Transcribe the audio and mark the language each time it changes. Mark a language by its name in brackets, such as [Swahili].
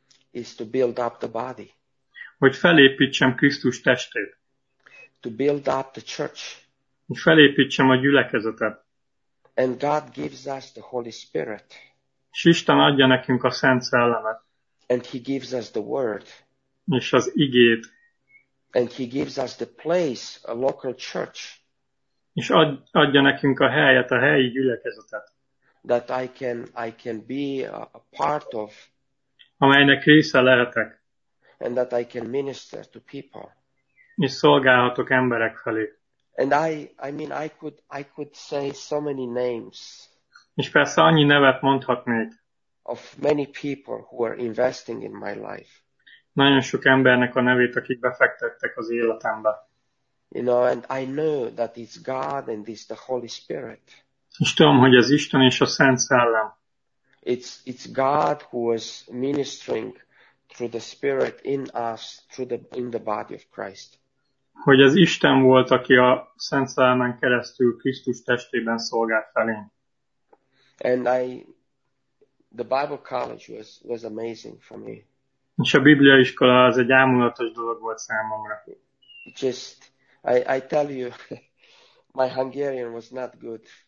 [English] Is to build up the body. [Hungarian] Hogy felépítsem Krisztus testét. [English] To build up the church. [Hungarian] Hogy felépítsem a gyülekezetet. [English] And God gives us the Holy Spirit. [Hungarian] És Isten adja nekünk a Szent Szellemet. [English] And he gives us the word. [Hungarian] És az igét. [English] And he gives us the place, a local church. [Hungarian] És adja nekünk a helyet, a helyi gyülekezetet. [English] That I can be a part of. [Hungarian] Amelynek része lehetek. [English] And that I can minister to people. [Hungarian] És szolgálhatok emberek felé. [English] And I could say so many names. [Hungarian] És persze annyi nevet mondhatnék. [English] Of many people who are investing in my life. [Hungarian] Nagyon sok embernek a nevét, akik befektettek az életembe. [English] You know, and I know that it's God and it's the Holy Spirit. [Hungarian] És tudom, hogy ez Isten és a Szent Szellem. [English] It's God who is ministering through the Spirit in us, in the body of Christ. [Hungarian] Hogy az Isten volt, aki a Szent Szellemen keresztül Krisztus testében szolgált felénk. [English] And the Bible college was amazing for me. [Hungarian] És a Biblia iskola az egy ámulatos dolog volt számomra. [English] Just, I tell you, my Hungarian was not good.